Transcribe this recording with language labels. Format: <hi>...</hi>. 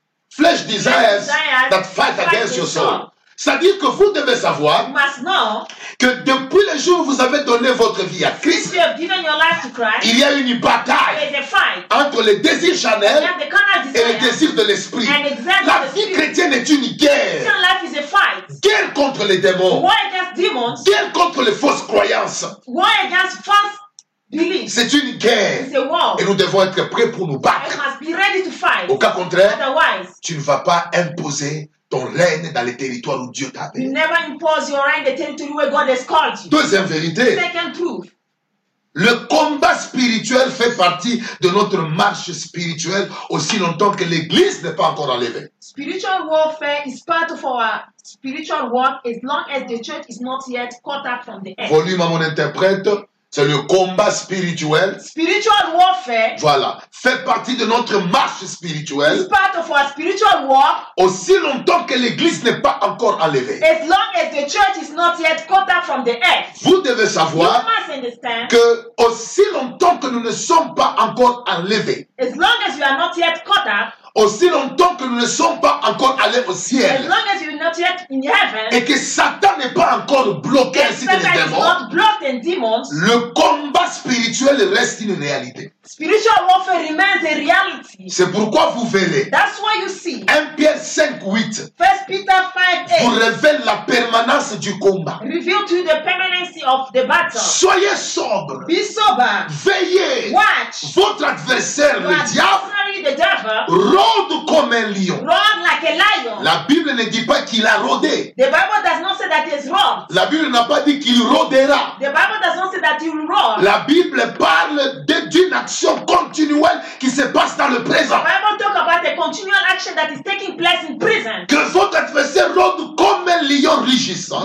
<en>flesh desires that fight against your soul.</en> <fr>C'est-à-dire que vous devez savoir que depuis le jour où vous avez donné votre vie à Christ,</fr> <en>you have given your life to Christ,</en> <fr>il y a une bataille entre les désirs charnels et les désirs de l'esprit. La vie chrétienne est une guerre.</fr> <en>Christian life is a fight.</en> <fr>Guerre contre les démons.</fr> <en>War against demons.</en> <fr>Guerre contre les fausses croyances.</fr> <en>War against false beliefs.</en> <fr>C'est une guerre.</fr> <en>It's a war.</en> <fr>Et nous devons être prêts pour nous battre.</fr> <en>You must be ready to fight.</en> <fr>Au cas contraire,</fr> <en>otherwise,</en> <fr>tu ne vas pas imposer ton règne dans les territoires où Dieu t'a appelé.</fr> <en>You never impose your reign in the territory where God has called you.</en> <fr>Deuxième vérité.</fr> <en>Second truth.</en> <fr>Le combat spirituel fait partie de notre marche spirituelle aussi longtemps que l'Église n'est pas encore enlevée.</fr> <en>Spiritual warfare is part of our spiritual work as long as the church is not yet caught up from the earth.</en> <fr>Volume à mon interprète. C'est le combat spirituel.</fr> <en>Spiritual warfare.</en> <fr>Voilà. Fait partie de notre marche spirituelle.</fr> <en>It's part of our spiritual war.</en> <fr>Aussi longtemps que l'Église n'est pas encore enlevée.</fr> <en>As long as the church is not yet caught up from the earth.</en> <fr>Vous devez savoir.</fr> <en>You must understand.</en> <fr>Que aussi longtemps que nous ne sommes pas encore enlevés.</fr> <en>As long as you are not yet caught up.</en> <fr>Aussi longtemps que nous ne sommes pas encore allés au ciel.</fr> <en>As long as you're not yet in heaven,</en> <fr>et que Satan n'est pas encore bloqué ainsi que les démons. Le combat spirituel reste une réalité.</fr> <en>Spiritual warfare remains a reality.</en> <fr>C'est pourquoi vous verrez.</fr> <en>That's why you see.</en> <fr>1 Pierre 5:8.</fr> <en>1 Peter 5:8.</en> <fr>Vous révèle la permanence du combat.</fr> <en>Reveal to you the permanency of the battle.</en> <fr>Soyez sobre.</fr> <en>Be sober.</en> <fr>Veillez.</fr> <en>Watch.</en> <fr>Votre adversaire,</fr> <en>your adversary, the devil,</en> <fr>rôde comme un lion.</fr> <en>Run like a lion.</en> <fr>La Bible ne dit pas qu'il a rôdé.</fr> <en>The Bible does not say that he is rôde.</en> <fr>La Bible n'a pas dit qu'il rôdera.</fr> <en>The Bible does not say that he will run.</en> <fr>La Bible parle d'une action continuelle qui se passe dans le présent.</fr> <en>The Bible talk about a continual action that is taking place in prison.</en> <fr>Que votre adversaire rôde comme un lion rugissant.</fr>